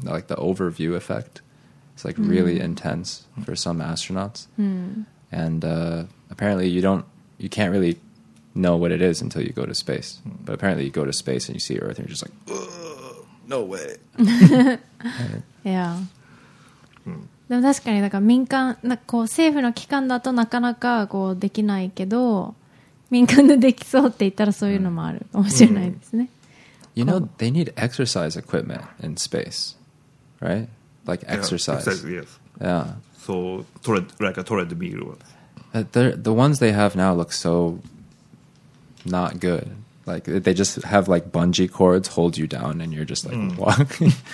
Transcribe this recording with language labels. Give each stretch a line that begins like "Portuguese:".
English: Like the overview effect. It's like really intense for some astronauts. And apparently you can't really know what it is until you go to space. But apparently you go to space and you see Earth and you're just like, no way. Yeah.
Japanese: でも確かになんか民間なんかこう政府の機関だとなかなかこうできないけど民間でできそうって言ったらそういうのもあるかもしれないですね。
English: You know, they need exercise equipment in space, right? Like exercise. Yeah, exercise, yes. Yeah. So, like a treadmill. The ones they have now look so not good. Like, they just have like bungee cords hold you down and you're just like walking.